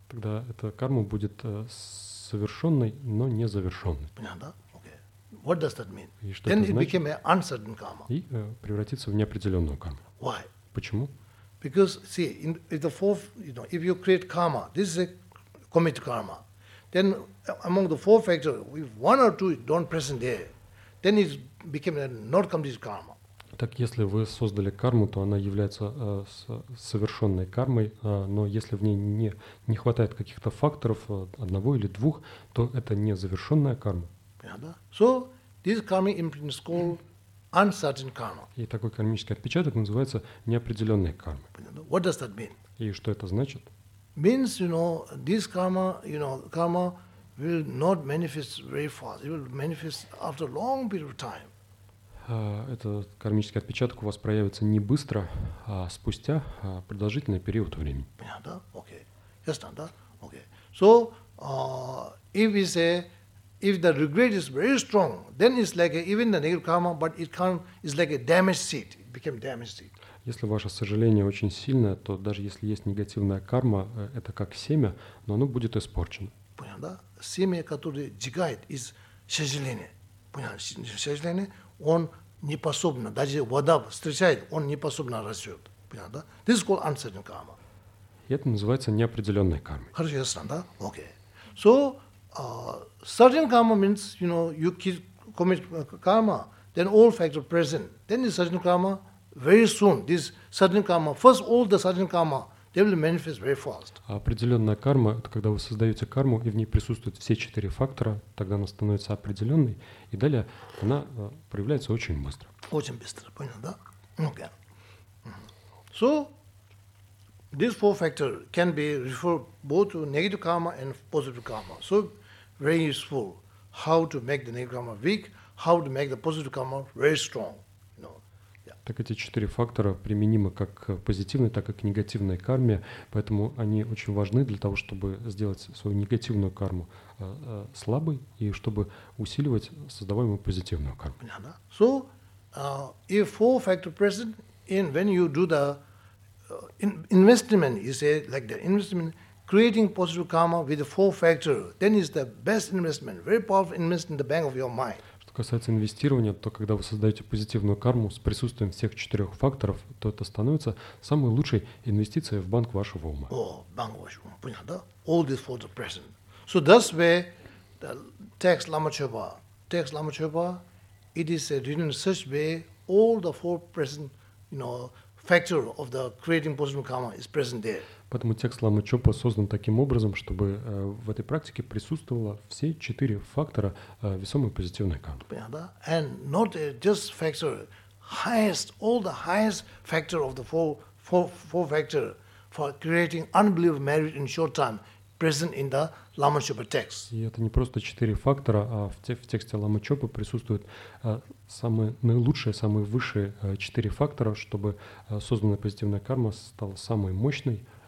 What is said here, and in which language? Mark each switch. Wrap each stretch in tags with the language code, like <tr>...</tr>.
<ru>Тогда эта карма будет совершенной, но не завершенной. Понятно?</ru> <en>Okay. What does that mean?</en> <ru>И что это значит?</ru> <en>Then it became an uncertain karma.</en> <ru>И превратится в неопределенную карму.</ru> <en>Why?</en> <ru>Почему?</ru> <en>Because see, in the four, you know, if you create karma, this is a commit karma. Then among the four factors, if one or two don't present there, then it became a not complete karma.</en> <ru>Так если вы создали карму, то она является совершенной кармой, но если в ней не хватает каких-то факторов одного или двух, то это не завершенная карма.</ru> <en>So this karma imprint is called uncertain karma.</en> <ru>И такой кармический отпечаток называется неопределённая карма.</ru> <en>What does that mean?</en> <ru>И что это значит?</ru> <en>Means, you know, this karma, you know, karma will not manifest very fast. It will manifest after long period of time.</en> <ru>Этот кармический отпечаток у вас проявится не быстро, а спустя продолжительный период времени. Понятно?</ru> <en>Okay. Yes, that. Okay. So, if we say if the regret is very strong, then it's like a, even the negative karma, but it can is like a damaged seed. It became damaged seed.</en> <ru>Если ваше сожаление очень сильное, то даже если есть негативная карма, это как семя, но оно будет испорчено. Понятно? Семя, которое сжигает из сожаления. Понятно? Сожаление, он не способен, даже вода встречает, он не способен растет. Понятно?</ru> <en>This is called uncertain karma.</en> <ru>И это называется неопределенная карма. Хорошо, ясно, да? Okay.</ru> <en>So, certain karma means, you know, you commit karma, then all factors present. Then the certain karma, very soon, this certain karma, first all the certain karma, they will manifest very fast.</en> <ru>А определенная карма, это когда вы создаете карму, и в ней присутствуют все четыре фактора, тогда она становится определенной, и далее она проявляется очень быстро. Очень быстро, понятно, да?</ru> <en>Okay. So, these four factors can be referred both to negative karma and positive karma. So, very useful how to make the negative karma weak, how to make the positive karma very strong.</en> <ru>Так эти четыре фактора применимы как к позитивной, так и к негативной карме, поэтому они очень важны для того, чтобы сделать свою негативную карму слабой и чтобы усиливать создаваемую позитивную карму. Понятно.</ru> <en>So, if four factors present, in when you do the investment, you say like the investment, creating positive karma with the four factors, then is the best investment, very powerful investment in the bank of your mind.</en> <ru>Что касается инвестирования, то когда вы создаете позитивную карму с присутствием всех четырех факторов, то это становится самой лучшей инвестицией в банк вашего ума. О, банк вашего ума, понятно, да?</ru> <en>All these four are present. So that's where the text Lama Chöpa, it is a written in such way all the four present, you know, factor of the creating positive karma is present there.</en> <ru>Поэтому текст Ламы Чопа создан таким образом, чтобы в этой практике присутствовало все четыре фактора весомой позитивной кармы. Понятно, да?</ru> <en>And not just factor, highest, all the highest factor of the four factor for creating unbelievable merit in short time present in the Lama Chöpa text.</en> <ru>И это не просто четыре фактора, а в тексте Ламы Чопа присутствуют самые наилучшие, самые высшие четыре фактора, чтобы созданная позитивная карма стала самой мощной.</ru>